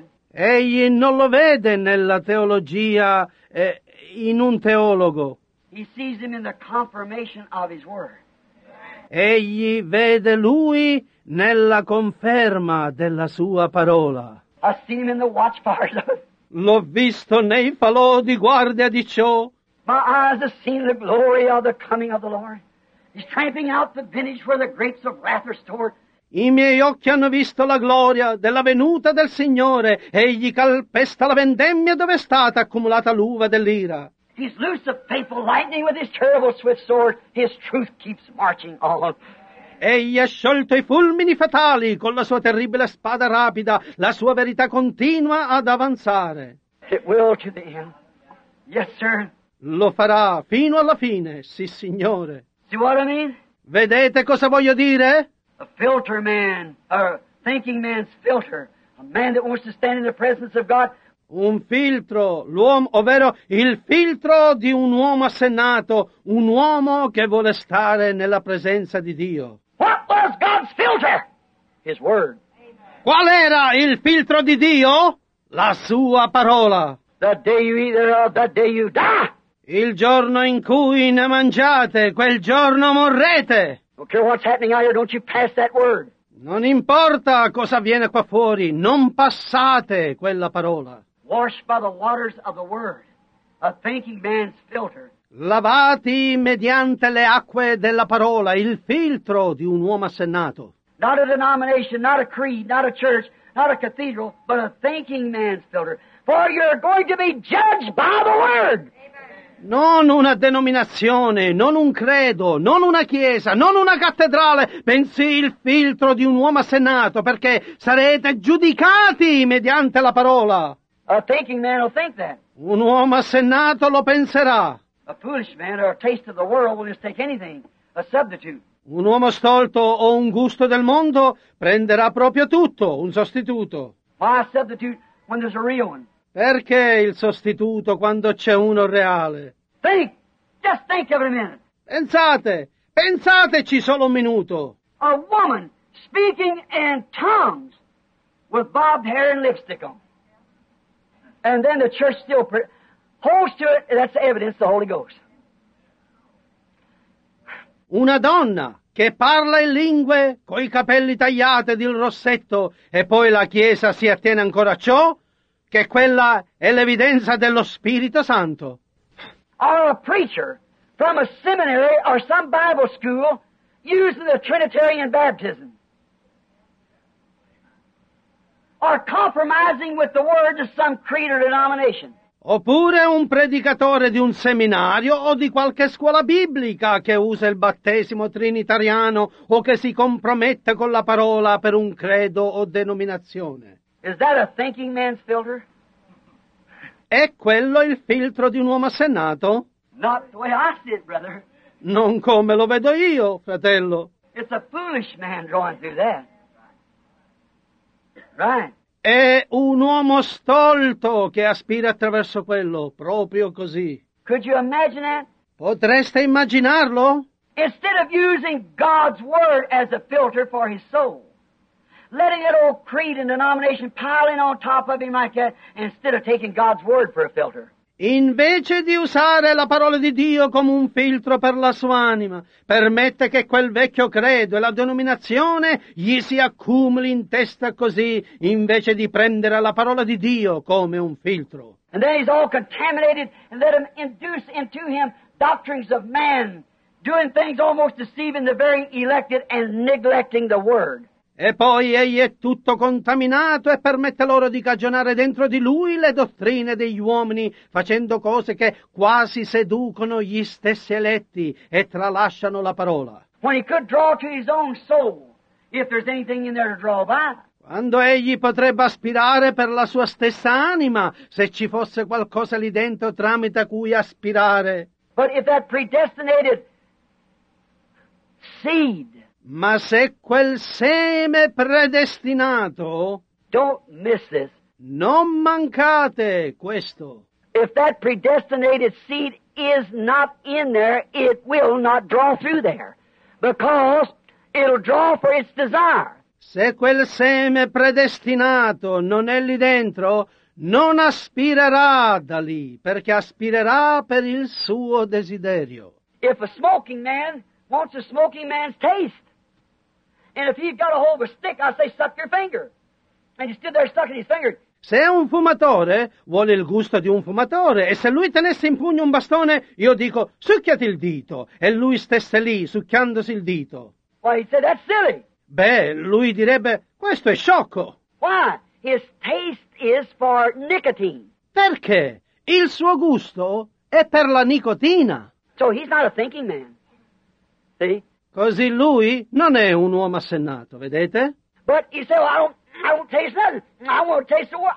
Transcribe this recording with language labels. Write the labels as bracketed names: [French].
[Italian] Egli non lo vede nella teologia, in un teologo. [English] He sees him in the confirmation of his word. [Italian] Egli vede lui nella conferma della sua parola. [English] I've seen him in the watch fires. [Italian] L'ho visto nei falò di guardia di ciò. [English] My eyes have seen the glory of the coming of the Lord. He's tramping out the vintage where the grapes of wrath are stored. [Italian] I miei occhi hanno visto la gloria della venuta del Signore. Egli calpesta la vendemmia dove è stata accumulata l'uva dell'ira. [English] He's loosed the faithful lightning with his terrible swift sword. His truth keeps marching on. [Italian] Egli ha sciolto i fulmini fatali con la sua terribile spada rapida. La sua verità continua ad avanzare. [English] It will to the end. Yes, sir. [Italian] Lo farà fino alla fine, sì, signore. [English] See what I mean? [Italian] Vedete cosa voglio dire? [English] A filter man, a thinking man's filter. A man that wants to stand in the presence of God. [Italian] Un filtro, l'uomo, ovvero il filtro di un uomo assennato, un uomo che vuole stare nella presenza di Dio. [English] What was God's filter? His word. [Italian] Qual era il filtro di Dio? La sua parola. [English] The day you eat thereof, that day you die. [Italian] Il giorno in cui ne mangiate, quel giorno morrete. [English] Don't care what's happening out here, don't you pass that word. [Italian] Non importa cosa avviene qua fuori, non passate quella parola. [English] Washed by the waters of the word, a thinking man's filter. [Italian] Lavati mediante le acque della parola, il filtro di un uomo assennato. [English] Not a denomination, not a creed, not a church, not a cathedral, but a thinking man's filter. For you're going to be judged by the word. [Italian] Non una denominazione, non un credo, non una chiesa, non una cattedrale, bensì il filtro di un uomo assennato, perché sarete giudicati mediante la parola. [English] A thinking man will think that. [Italian] Un uomo assennato lo penserà. [English] A foolish man or a taste of the world will just take anything, a substitute. [Italian] Un uomo stolto o un gusto del mondo prenderà proprio tutto, un sostituto. [English] Why a substitute when there's a real one? [Italian] Perché il sostituto quando c'è uno reale? [English] Think! Just think of it a minute! [Italian] Pensate! Pensateci solo un minuto! [English] A woman speaking in tongues with bobbed hair and lipstick on. And then the church still holds to it, and that's evidence of the Holy Ghost. [Italian] Una donna che parla in lingue coi capelli tagliati del rossetto e poi la Chiesa si attiene ancora a ciò? Che quella è l'evidenza dello Spirito Santo. [English] Or a preacher from a seminary or some Bible school using the Trinitarian baptism. Or compromising with the word of some creed or denomination. [Italian] Oppure un predicatore di un seminario o di qualche scuola biblica che usa il battesimo trinitariano o che si compromette con la parola per un credo o denominazione. [English] Is that a thinking man's filter? [Italian] È quello il filtro di un uomo assennato? [English] Not the way I see it, brother. [Italian] Non come lo vedo io, fratello. [English] It's a foolish man drawing through that. Right. [Italian] È un uomo stolto che aspira attraverso quello, proprio così. [English] Could you imagine that? [Italian] Potreste immaginarlo? [English] Instead of using God's word as a filter for his soul. Letting that old creed and denomination pile in on top of him like that instead of taking God's word for a filter. [Italian] Invece di usare la parola di Dio come un filtro per la sua anima, permette che quel vecchio credo e la denominazione gli si accumuli in testa così, invece di prendere la parola di Dio come un filtro. [English] And then he's all contaminated and let him induce into him doctrines of man, doing things almost deceiving the very elected and neglecting the word. [Italian] E poi egli è tutto contaminato e permette loro di cagionare dentro di lui le dottrine degli uomini, facendo cose che quasi seducono gli stessi eletti e tralasciano la parola. [English] When he could draw to his own soul, if there's anything in there to draw by. [Italian] Quando egli potrebbe aspirare per la sua stessa anima, se ci fosse qualcosa lì dentro tramite cui aspirare. [English] But if that predestinated seed. [Italian] Ma se quel seme predestinato, [English] don't miss this. [Italian] Non mancate questo. [English] If that predestinated seed is not in there, it will not draw through there, because it'll draw for its desire. [Italian] Se quel seme predestinato non è lì dentro, non aspirerà da lì, perché aspirerà per il suo desiderio. [English] If a smoking man wants a smoking man's taste. And if he's got a hold of a stick, I say, suck your finger. And he's still there sucking his finger. [Italian] Se un fumatore vuole il gusto di un fumatore, e se lui tenesse in pugno un bastone, io dico, succhiati il dito. E lui stesse lì, succhiandosi il dito. [English] Why, he'd say, that's silly. [Italian] Beh, lui direbbe, questo è sciocco. [English] Why? His taste is for nicotine. [Italian] Perché? Il suo gusto è per la nicotina. [English] So he's not a thinking man. See? [Italian] Così lui non è un uomo assennato, vedete? [English] But he said, well, I don't taste nothing. I want to taste the water.